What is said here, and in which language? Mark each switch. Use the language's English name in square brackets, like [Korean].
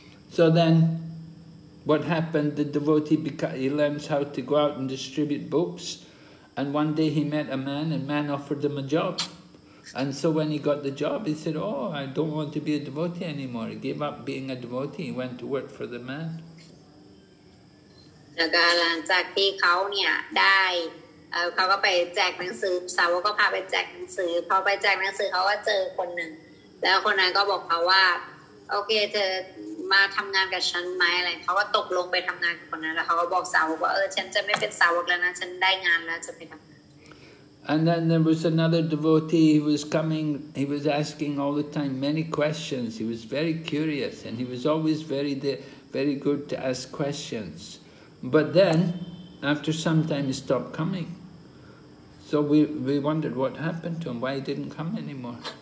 [English] So then, what happened? The devotee, he learns how to go out and distribute books. And one day he met a man, and man offered him a job. And so when he got the job, he said, "Oh, I don't want to be a devotee anymore." He gave up being a devotee, he went to work for the man. [Thai] แล้วก็หลังจากที่เขาเนี่ยได้เขาก็ไปแจกหนังสือสาวกก็พาไปแจกหนังสือพอไปแจกหนังสือเขาก็เจอคนหนึ่งแล้วคนนั้นก็บอกเขาว่าโอเคเธอมาทำงานกับฉันไหมอะไรเขาก็ตกลงไปทำงานกับคนนั้นแล้วเขาก็บอกสาวกว่าเออฉันจะไม่เป็นสาวกแล้วนะฉันได้งานแล้วจะไปทำ [English] And then there was another devotee, he was coming, he was asking all the time many questions. He was very curious and he was always very good to ask questions. But then, after some time, he stopped coming. So we wondered what happened to him, why he didn't come anymore.